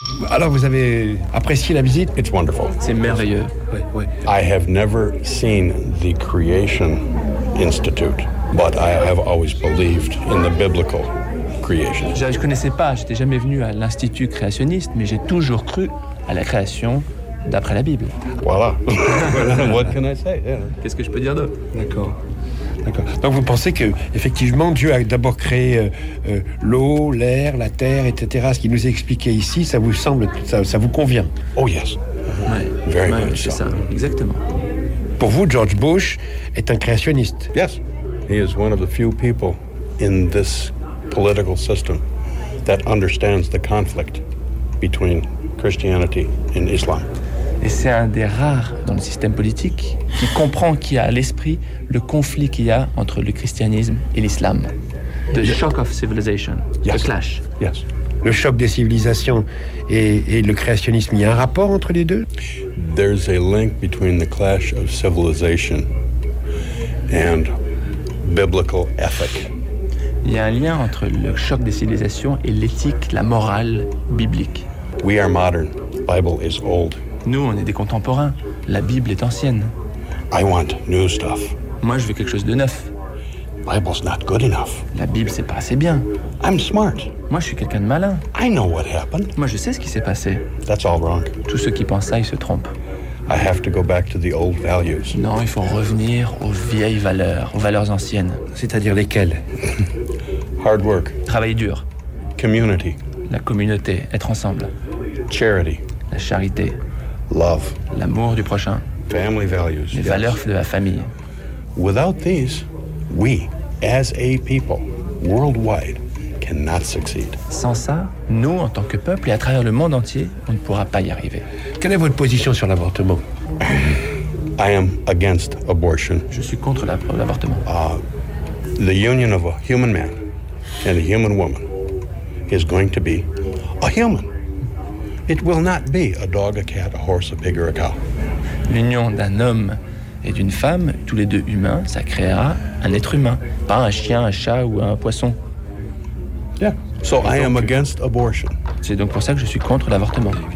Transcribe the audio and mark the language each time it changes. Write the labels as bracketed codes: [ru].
[fr] Alors, vous avez apprécié la visite? [en] It's wonderful. [fr] C'est merveilleux. [en] I have never seen the Creation Institute, but I have always believed in the biblical creation. [fr] Je ne connaissais pas, j'étais jamais venu à l'Institut créationniste, mais j'ai toujours cru à la création d'après la Bible. [en] Voilà. What can I say? [fr] Qu'est-ce que je peux dire d'autre? D'accord. D'accord. Donc vous pensez que effectivement Dieu a d'abord créé l'eau, l'air, la terre, etc. Ce qu'il nous a expliqué ici, ça vous semble, ça vous convient? [en] Oh yes. [fr] Ouais. [en] Very [fr] ouais, much. C'est ça. Exactement. Pour vous, George Bush est un créationniste? [en] Yes. He is one of the few people in this political system that understands the conflict between Christianity and Islam. [fr] Et c'est un des rares dans le système politique qui comprend, qui a à l'esprit le conflit qu'il y a entre le christianisme et l'islam. [en] The shock of civilization, yes. The clash. Yes. [fr] Le choc des civilisations et le créationnisme, il y a un rapport entre les deux? [en] There's a link between the clash of civilization and biblical ethic. [fr] Il y a un lien entre le choc des civilisations et l'éthique, la morale biblique. [en] We are modern. Bible is old. [fr] Nous, on est des contemporains. La Bible est ancienne. [en] I want new stuff. [fr] Moi, je veux quelque chose de neuf. [en] Bible's not good enough. [fr] La Bible, c'est pas assez bien. [en] I'm smart. [fr] Moi, je suis quelqu'un de malin. [en] I know what happened. [fr] Moi, je sais ce qui s'est passé. [en] That's all wrong. [fr] Tous ceux qui pensent ça, ils se trompent. [en] I have to go back to the old values. [fr] Non, il faut revenir aux vieilles valeurs, aux valeurs anciennes. C'est-à-dire lesquelles? [en] Hard work. [fr] Travailler dur. [en] Community. [fr] La communauté, être ensemble. [en] Charity. [fr] La charité. [en] Love. [fr] L'amour du prochain. [en] Family values. [fr] Les valeurs de la famille. [en] Without these, we, as a people, worldwide, cannot succeed. [fr] Sans ça, nous, en tant que peuple et à travers le monde entier, on ne pourra pas y arriver. Quelle est votre position sur l'avortement? [en] I am against abortion. [fr] Je suis contre l'avortement. [en] The union of a human man and a human woman is going to be a human. It will not be a dog, a cat, a horse, a pig or a cow. [fr] L'union d'un homme et d'une femme, tous les deux humains, ça créera un être humain, pas un chien, un chat ou un poisson. [en] Yeah. So I am against abortion. [fr] C'est donc pour ça que je suis contre l'avortement.